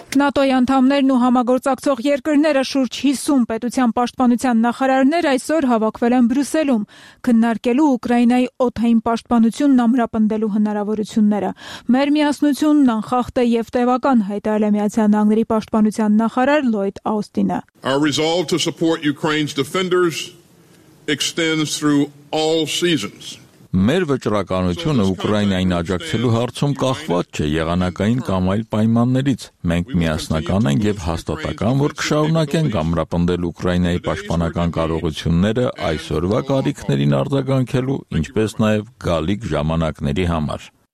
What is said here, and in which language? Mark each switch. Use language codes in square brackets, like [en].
[hy] ՆԱՏՕ-ի անդամներն ու համագործակցող երկրները շուրջ 50 պետության պաշտպանության նախարարներ այսօր հավաքվել են Բրյուսելում, քննարկելու Ուկրաինայի օթային պաշտպանությունն ամրապնդելու հնարավորությունները։ Մեր միասնությունն անխախտ է եւ տևական, հայտարարել է Միացյալ Նահանգների պաշտպանության նախարար Լոյդ Աուստինը։ [en] Our resolve to support Ukraine's defenders extends through all seasons. [hy] Մեր վճռականությունը Ուկրաինային աջակցելու հարցում կախված չէ եղանակային կամ այլ պայմաններից։ Մենք միասնական ենք եւ հաստատական, որ կշարունակենք ամրապնդել Ուկրաինայի պաշտպանական կարողությունները այսօրվա կարիքներին արձագանքելու, ինչպես նաեւ գալիք ժամանակների համար։